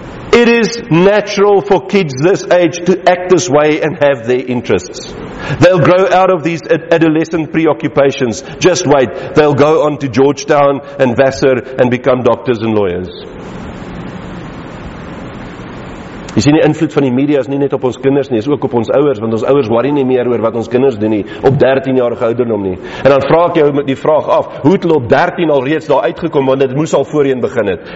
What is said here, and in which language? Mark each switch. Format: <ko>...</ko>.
<en>It is natural for kids this age to act this way and have their interests. They'll grow out of these adolescent preoccupations. Just wait, they'll go on to Georgetown and Vassar and become doctors and lawyers.</en> <af>Jy sien die invloed van die media is nie net op ons kinders nie, is ook op ons ouers, want ons ouers worry nie meer oor wat ons kinders doen nie, op 13-jarige ouderdom nie. En dan vraag ek jou met die vraag af, hoe het hulle op 13 al reeds daar uitgekom, want dit moes al voorheen begin het.</af>